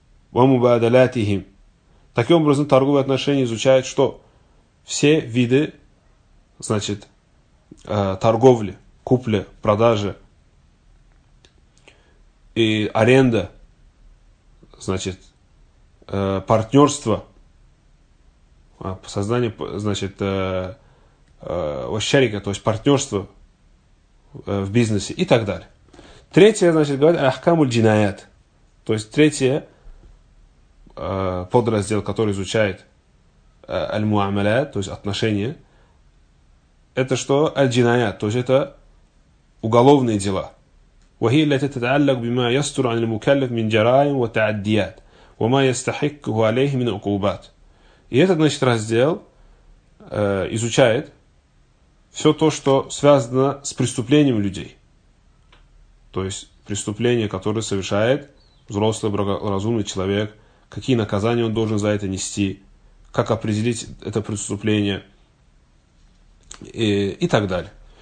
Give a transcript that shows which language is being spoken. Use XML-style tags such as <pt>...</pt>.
<ar>Ва мубадалатихим.</ar> <ru>Таким образом, торговые отношения изучают, что все виды, значит, торговли, купли, продажи и аренда, значит, партнерство, создание, значит, ощарика, то есть партнерство в бизнесе и так далее. Третье, значит, говорит, ахкамуль джинаят, то есть третье подраздел, который изучает аль-муамиля, то есть отношения, это что? Аль-джиная, то есть это уголовные дела.</ru> <ar>وهي التي تتعلق بما يستر عن المكلف من جرائم وتعديات وما يستحقه عليه من عقوبات.</ar> <ru>И этот, значит, раздел изучает все то, что связано с преступлением людей. То есть преступление, которое совершает взрослый, благоразумный человек, какие наказания он должен за это нести, как определить это преступление и так далее.</ru>